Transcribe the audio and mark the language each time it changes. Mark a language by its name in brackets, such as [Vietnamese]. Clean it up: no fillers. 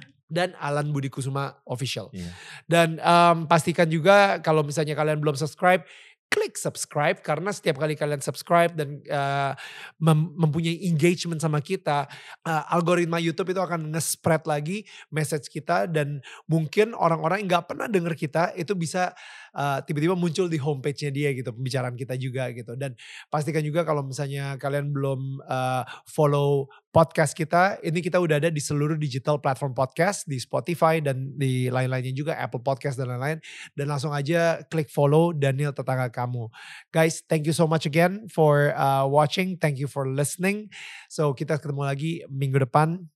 [Indonesian] Dan Alan Budi Kusuma Official. Dan pastikan juga kalau misalnya kalian belum subscribe, klik subscribe, karena setiap kali kalian subscribe dan mempunyai engagement sama kita, algoritma YouTube itu akan nge-spread lagi message kita, dan mungkin orang-orang yang gak pernah dengar kita itu bisa tiba-tiba muncul di homepage-nya dia gitu, pembicaraan kita juga gitu. Dan pastikan juga kalau misalnya kalian belum follow podcast kita, ini kita udah ada di seluruh digital platform podcast, di Spotify dan di lain-lainnya juga, Apple Podcast dan lain-lain. Dan langsung aja klik follow Daniel Tetangga Kamu. [English] Guys, thank you so much again for watching, thank you for listening. [Indonesian] So kita ketemu lagi minggu depan.